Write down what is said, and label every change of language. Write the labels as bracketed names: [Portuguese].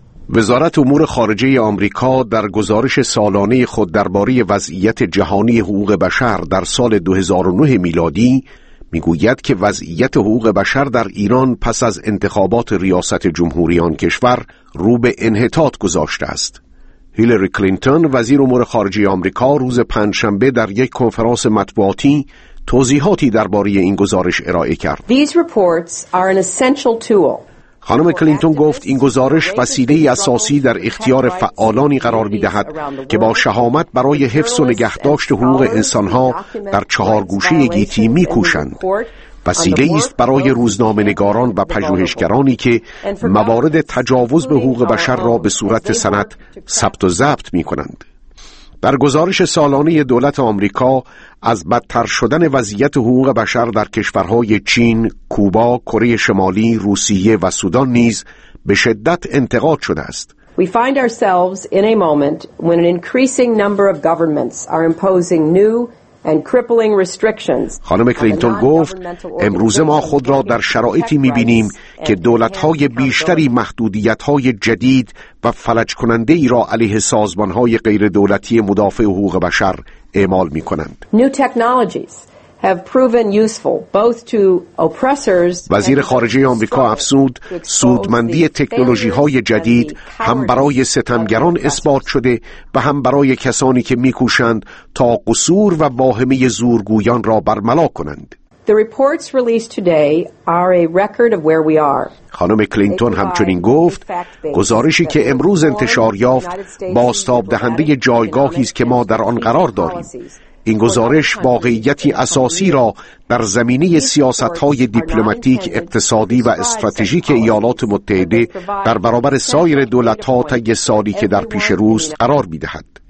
[Persian] وزارت امور خارجه آمریکا در گزارش سالانه خود درباره وضعیت جهانی حقوق بشر در سال 2009 میلادی میگوید که وضعیت حقوق بشر در ایران پس از انتخابات ریاست جمهوری آن کشور رو به انحطاط گذاشته است. هیلری کلینتون وزیر امور خارجه آمریکا روز پنجشنبه در یک کنفرانس مطبوعاتی توضیحاتی درباره این گزارش ارائه کرد. [English] These reports are an essential tool. [Persian] خانم کلینتون گفت این گزارش وسیله اساسی در اختیار فعالانی قرار می‌دهد که با شهامت برای حفظ و نگهداشت حقوق انسان‌ها در چهار گوشه گیتی می‌کوشند. وسیله است برای روزنامه‌نگاران و پژوهشگرانی که موارد تجاوز به حقوق بشر را به صورت سند ثبت و ضبط می‌کنند. در گزارش سالانه دولت آمریکا از بدتر شدن وضعیت حقوق بشر در کشورهای چین، کوبا، کره شمالی، روسیه و سودان نیز به شدت انتقاد شده است. [English] We find ourselves in a moment when an increasing number of governments are imposing new and crippling restrictions. [Persian] خانم کلینتون گفت امروز ما خود را در شرایطی می‌بینیم که دولت‌های بیشتری محدودیت‌های جدید و فلج کننده‌ای را علیه سازمان‌های غیر دولتی مدافع حقوق بشر اعمال می‌کنند. [English] New technologies have proven useful both to oppressors. [Persian] وزیر خارجه آمریکا افزود سودمندی تکنولوژی‌های جدید هم برای ستمگران اثبات شده و هم برای کسانی که می‌کوشند تا قصور و واهمه زورگویان را برملا کنند. [English] The reports released today are a record of where we are. [Persian] خانم کلینتون همچنین گفت گزارشی که امروز انتشار یافت بازتاب دهنده جایگاهی است که ما در آن قرار داریم. این گزارش واقعیتی اساسی را در زمینه سیاست‌های دیپلماتیک، اقتصادی و استراتژیک ایالات متحده در برابر سایر دولت‌ها طی سالی که در پیش روست قرار می‌دهد.